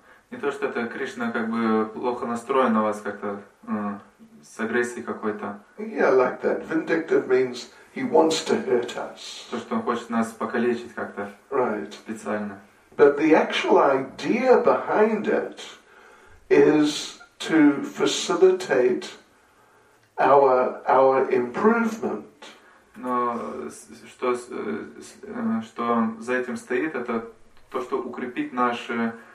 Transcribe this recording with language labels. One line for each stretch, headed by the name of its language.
Russian: Не то, что это Кришна как бы плохо настроен на вас как-то, с агрессией какой-то.
English: Yeah, like that. Vindictive means he wants to hurt us.
Russian: То, что он хочет нас покалечить как-то.
English: Right.
Russian: Специально.
English: But the actual idea behind it is to facilitate our improvement.
Russian: Но что за этим стоит, это то, что укрепить наши...